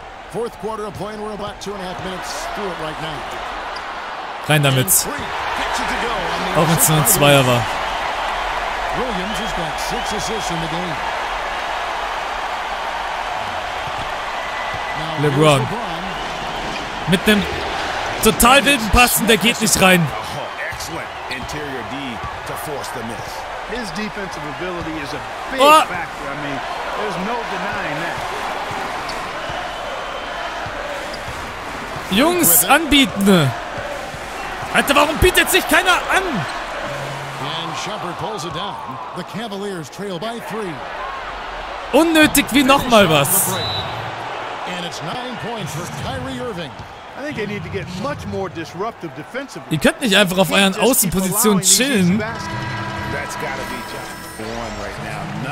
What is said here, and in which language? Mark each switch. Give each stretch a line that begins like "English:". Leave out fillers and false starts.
English: Fourth quarter of play, and we're about 2.5 minutes through it right now.
German: Rein damit. Auch wenn es nur ein Zweier war.
English: Williams has got 6 assists in the game. LeBron.
German: Mit einem total wilden Pass, der geht nicht rein.
English: Excellent interior D to force the miss. His defensive ability is a big factor. I mean, there's no denying that.
German: Jungs, anbieten! Alter, warum bietet sich keiner an?
English: And Shumpert pulls it down. The Cavaliers trail by three.
German: Unnötig wie nochmal was.
English: And it's 9 points for Kyrie Irving. I think they need to get much more disruptive defensively.
German: Ihr könnt nicht einfach auf euren Außenpositionen chillen.
English: That's gotta be just one right now.